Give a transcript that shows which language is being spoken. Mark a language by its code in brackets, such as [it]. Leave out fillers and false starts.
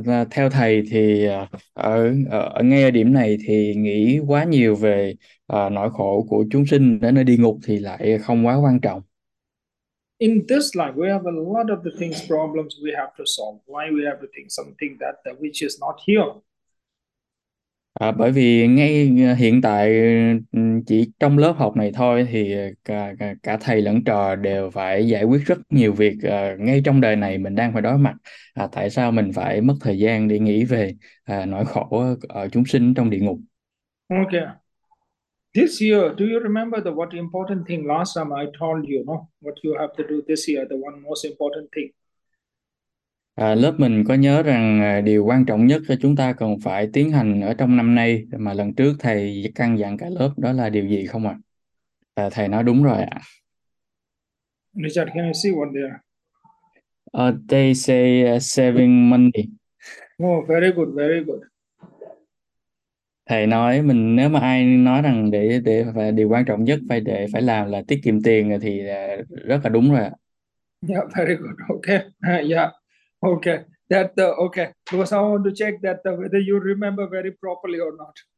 [vi] Theo thầy thì ở ngay ở điểm này thì nghĩ quá nhiều về nỗi khổ của chúng sinh ở nơi địa ngục thì lại không quá quan trọng. [en] In this life, we have a lot of the things, problems we have to solve. Why we have to think something that which is not here? [vi] Bởi vì ngay hiện tại chỉ trong lớp học này thôi thì cả thầy lẫn trò đều phải giải quyết rất nhiều việc ngay trong đời này mình đang phải đối mặt. Tại sao mình phải mất thời gian để nghĩ về nỗi khổ ở chúng sinh trong địa ngục? [en] Okay. This year, do you remember the what important thing last time I told you, no? What you have to do this year, the one most important thing. [vi] Lớp mình có nhớ rằng điều quan trọng nhất cho chúng ta cần phải tiến hành ở trong năm nay mà lần trước thầy căn dặn cả lớp đó là điều gì không ạ? Thầy nói đúng rồi ạ. [en] Richard, can I see one there? They say Oh, very good, very good. [vi] Thầy nói mình nếu mà ai nói rằng để và điều quan trọng nhất phải làm là tiết kiệm tiền thì rất là đúng rồi ạ. [en] Yeah, very good. Okay. Okay. Okay. Because I want to check that whether you remember very properly or not.